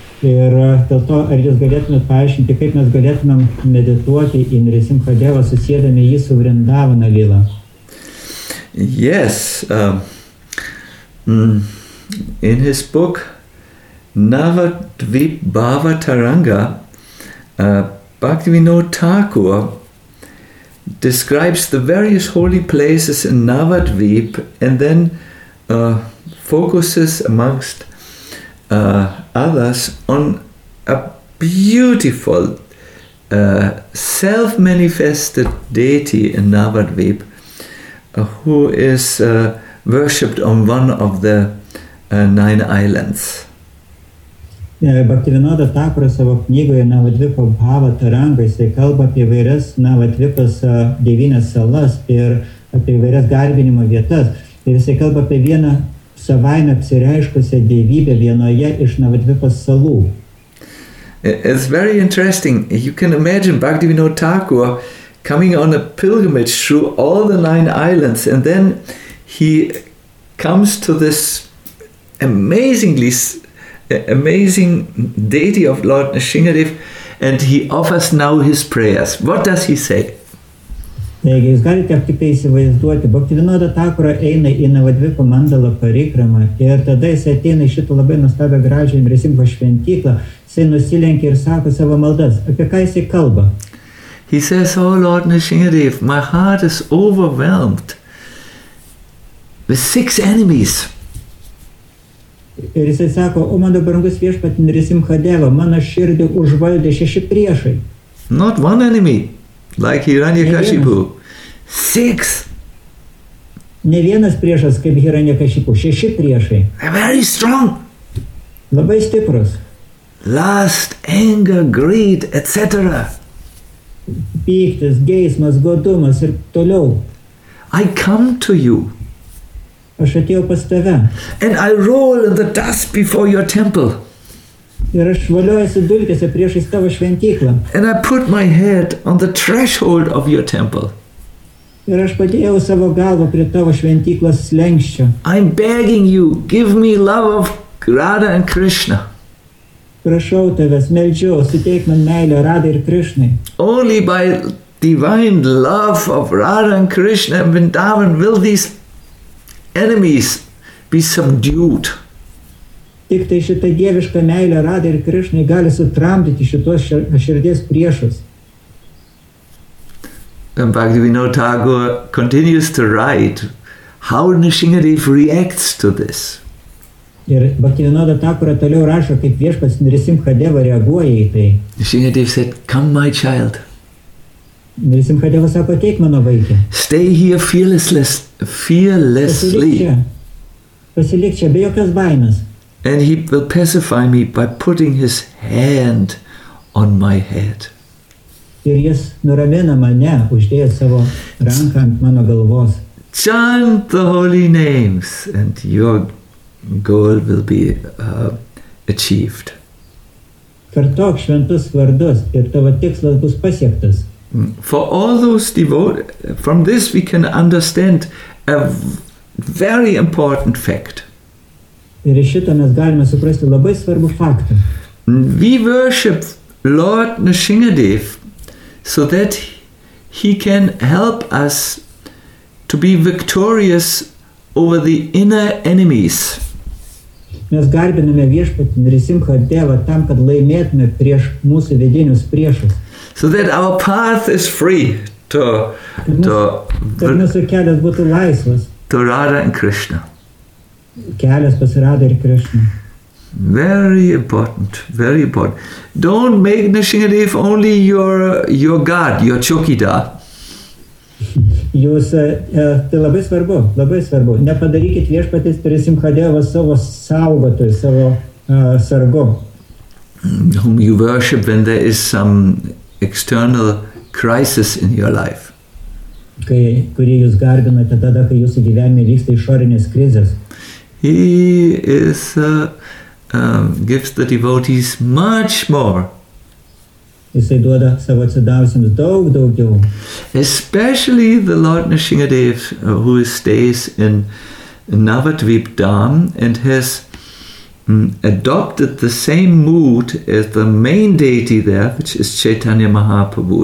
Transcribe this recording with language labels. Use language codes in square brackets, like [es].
[lt] Ir dėl to, ar jūs galėtumėt paaiškinti, kaip mes galėtumėm medituoti į Nrisimhadevą, susiedami jį su Vrindavana Lila? [en] Yes. In his book, Navadvip Bhavataranga, Bhaktivinoda Thakur describes the various holy places in Navadvip and then focuses amongst others on a beautiful self-manifested deity in Navadvip who is worshipped on one of the nine islands. [lt] Bhaktivinoda Thakur savo knygoje Navadvipa Bhavataranga, jisai kalba apie vairias Navadvipas devynias salas ir apie vairias garbinimo vietas. Ir jisai kalba apie vieną savaime apsireiškusią dievybę vienoje iš Navadvipas salų. [en] It's very interesting. You can imagine Bhaktivinoda Thakur coming on a pilgrimage through all the nine islands and then he comes to this amazing deity of Lord Nrisimhadev, and he offers now his prayers. What does he say? [lt] Taigi, jūs galite tiktai įsivaizduoti, Bhaktivinoda Thakura eina į Navadvipa mandalo parikramą, ir tada jis ateina į šitą labai nustabę gražią Nrisimha šventyklą, jis nusilenkia ir sako savo maldas. Apie ką jis kalba? [en] He says, oh Lord Nrisimhadev, my heart is overwhelmed. the six enemies. [lt] Ir jisai sako, o mano brangus viešpatį nirisim chadevą, mano širdį užvaldė šeši priešai. [en] Not one enemy, like Hiranyakashipu. Six. [lt] Ne vienas priešas, kaip Hiranyakashipu, šeši priešai. [en] A very strong. [lt] Labai stiprus. [en] Lust, anger, greed, etc. [lt] Pyktis, geismas, godumas ir toliau. [en] I come to you. [lt] Aš atėjau pas tave. [en] And I roll in the dust before your temple. [lt] Ir aš valiuosi dulkėse priešais tavo šventyklą. [en] And I put my head on the threshold of your temple. [lt] Ir aš padėjau savo galvą prie tavo šventyklos slenkščio. [en] I'm begging you, give me love of Radha and Krishna. [lt] Prašau tavęs, meldžiu, suteik man meilę Radai ir Krishnai. [en] Only by divine love of Radha and Krishna and Vrindavan will these enemies be subdued. [lt] Tik tai šita dieviška meilė Radai ir Krishnai gali sutramdyti šitos širdies priešus. [en] And Bhaktivinoda Thakur continues to write how Nrisimhadev reacts to this. [lt] Ir Bhaktivinoda Thakura toliau rašo, kaip viešpats Nrisimhadeva reaguoja į tai. [en] Nrisimhadev said, come my child. [lt] Nrisimhadeva sako, ateik mano vaikė. [en] Stay here fearlessly. [lt] Pasilik čia, be jokios baimės. [en] And he will pacify me by putting his hand on my head. [lt] Ir jis nuramina mane, uždėjęs savo ranką ant mano galvos. [en] Chant the holy names and your goal will be achieved. [lt] Kartok šventus vardus ir tavo tikslas bus pasiektas. [en] For all those devotees, from this we can understand a very important fact. [lt] Ir iš šito mes galime suprasti labai svarbų faktą. [en] We worship Lord Nrisimhadev so that he can help us to be victorious over the inner enemies. [lt] Mes garbiname viešpatį Nrisimhadevą tam, kad laimėtume prieš mūsų vidinius priešus. [en] So that our path is free to [lt] mūsų kelias būtų laisvas. [en] To Radha and Krishna. [lt] Kelias pas Radha ir Krishna. [en] Very important. Don't make Nrisimhadev only your God, your chokidar. [lt] Jūs, tai labai svarbu, labai svarbu. Nepadarykit viešpatys Nrisimhadevą savo saugotoj, savo sargu. [en] Whom you worship when there is some external crisis in your life. [lt] Kurį jūs garbinate tada, kai jūsų gyvenime vyksta išorinės krizės. [en] He is, gives the devotees much more. [lt] Jisai duoda savo atsidavusiems daug daugiau. [en] Especially the Lord Nrisimhadev, who stays in Navadvip Dham and has adopted the same mood as the main deity there, which is Chaitanya Mahaprabhu.